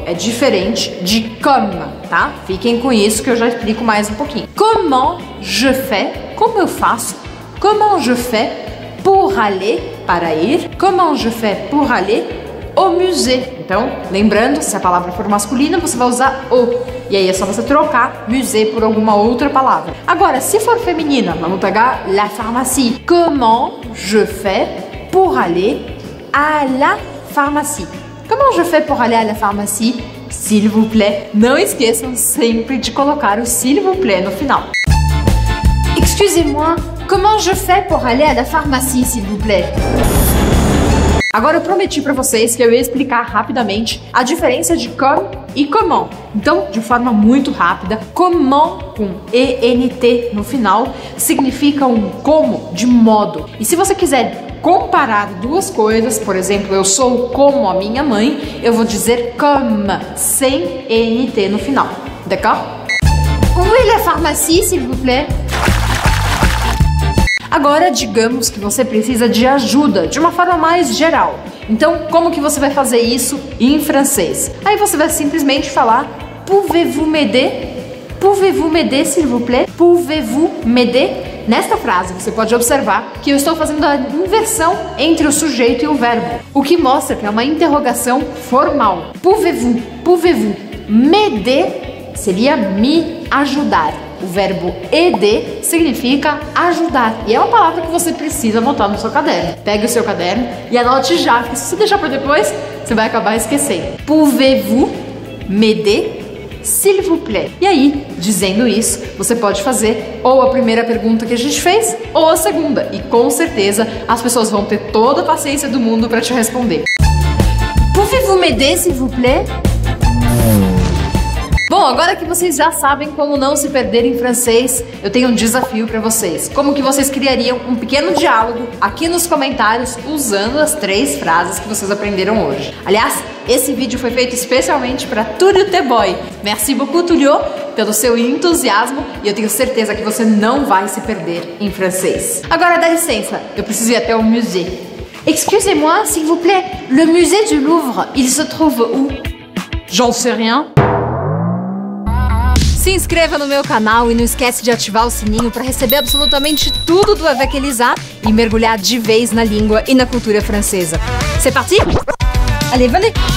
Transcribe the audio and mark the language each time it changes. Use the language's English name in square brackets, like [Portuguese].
[Portuguese] É diferente de comme, tá? Fiquem com isso que eu já explico mais um pouquinho. [French] Comment je fais, [Portuguese] como eu faço, [French] comment je fais pour aller, [Portuguese] para ir, [French] comment je fais pour aller au musée. [Portuguese] Então, lembrando, se a palavra for masculina, você vai usar o. E aí é só você trocar musée por alguma outra palavra. Agora, se for feminina, vamos pegar la pharmacie. [French] Comment je fais pour aller à la pharmacie? Comment je fais pour aller à la pharmacie? S'il vous plaît. [Portuguese] Não esqueçam sempre de colocar o [French] s'il vous plaît [Portuguese] no final. [French] Excusez-moi, comment je fais pour aller à la pharmacie, s'il vous plaît? [Portuguese] Agora eu prometi para vocês que eu ia explicar rapidamente a diferença de comme e comment. Então, de forma muito rápida, comment com ENT no final significa um como de modo. E se você quiser comparar duas coisas, por exemplo, eu sou como a minha mãe, eu vou dizer comme sem ENT no final. [French] D'accord? Où est la pharmacie, s'il vous plaît? [Portuguese] Agora, digamos que você precisa de ajuda, de uma forma mais geral. Então, como que você vai fazer isso em francês? Aí você vai simplesmente falar [French] pouvez-vous m'aider? Pouvez-vous m'aider, s'il vous plaît? Pouvez-vous m'aider? [Portuguese] Nesta frase, você pode observar que eu estou fazendo a inversão entre o sujeito e o verbo, o que mostra que é uma interrogação formal. [French] Pouvez-vous m'aider [Portuguese] seria me ajudar. O verbo aider significa ajudar. E é uma palavra que você precisa anotar no seu caderno. Pegue o seu caderno e anote já, porque se você deixar para depois, você vai acabar esquecendo. [French] Pouvez-vous m'aider, s'il vous plaît? [Portuguese] E aí, dizendo isso, você pode fazer ou a primeira pergunta que a gente fez, ou a segunda. E com certeza, as pessoas vão ter toda a paciência do mundo para te responder. [French] Pouvez-vous m'aider, s'il vous plaît? [Portuguese] Bom, agora que vocês já sabem como não se perder em francês, eu tenho um desafio para vocês. Como que vocês criariam um pequeno diálogo aqui nos comentários usando as três frases que vocês aprenderam hoje? Aliás, esse vídeo foi feito especialmente para Túlio Teboy. [French] Merci beaucoup, [Portuguese] Túlio, pelo seu entusiasmo e eu tenho certeza que você não vai se perder em francês. Agora, dá licença, eu preciso ir até o musée. [French] Excusez-moi, s'il vous plaît, le musée du Louvre, il se trouve où? J'en sais rien. [Portuguese] Se inscreva no meu canal e não esquece de ativar o sininho para receber absolutamente tudo do Avec Elisa e mergulhar de vez na língua e na cultura francesa. [French] C'est parti? Allez, venez!